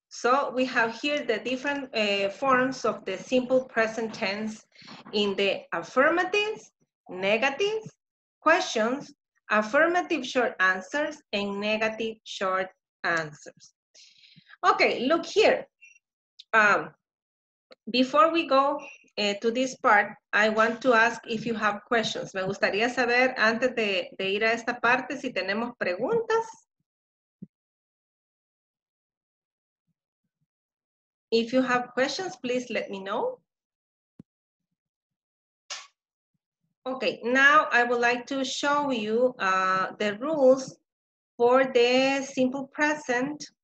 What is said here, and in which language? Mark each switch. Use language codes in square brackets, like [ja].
[en] So we have here the different forms of the simple present tense in the affirmatives, negatives, questions, affirmative short answers, and negative short answers. Okay, look here. Before we go to this part, I want to ask if you have questions. [es] Me gustaría saber antes de ir a esta parte si tenemos preguntas. [en] If you have questions, please let me know. Okay, now I would like to show you the rules for the simple present.